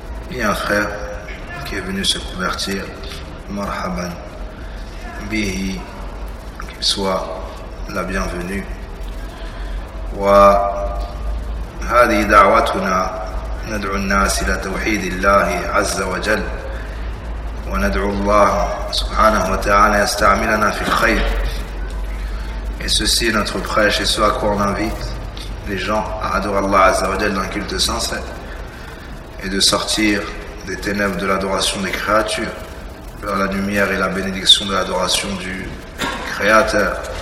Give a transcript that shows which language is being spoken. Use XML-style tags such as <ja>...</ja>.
<fr>Il y a un frère qui est venu se convertir,</fr> <ar>marhaban bihi,</ar> <fr>qu'il soit la bienvenue.</fr> <ar>Wa hadhihi da'watuna ندعو الناس إلى توحيد الله عز وجل وندعو الله سبحانه وتعالى يستعملنا في الخير</ar> <fr>Et ceci est notre prêche et ce à quoi on invite les gens à adorer Allah Azza wa Jal d'un culte sincère et de sortir des ténèbres de l'adoration des créatures vers la lumière et la bénédiction de l'adoration du Créateur.</fr>